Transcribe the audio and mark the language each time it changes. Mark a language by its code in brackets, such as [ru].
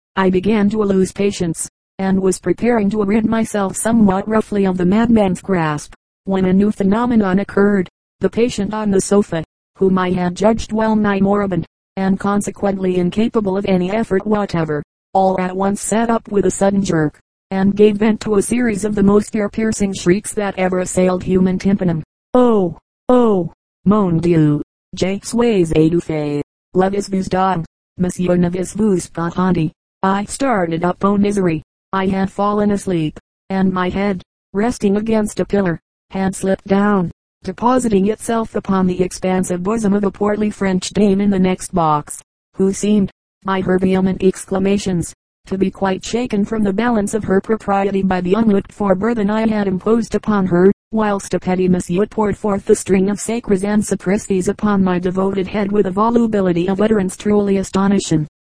[en] I began to lose patience, and was preparing to rid myself somewhat roughly of the madman's grasp, when a new phenomenon occurred. The patient on the sofa, whom I had judged well nigh moribund, and consequently incapable of any effort whatever, all at once sat up with a sudden jerk, and gave vent to a series of the most ear-piercing shrieks that ever assailed human tympanum. [fr] "Oh, oh, mon dieu, je suis étouffé, levez vous donc, monsieur, ne vous vous pas rendu." [en] I started up, oh misery. I had fallen asleep, and my head, resting against a pillar, had slipped down, depositing itself upon the expansive bosom of a portly French dame in the next box, who seemed, by her vehement exclamations, to be quite shaken from the balance of her propriety by the unlooked-for burthen I had imposed upon her, whilst a petty monsieur poured forth a string of sacres and sacristies upon my devoted head with a volubility of utterance truly astonishing.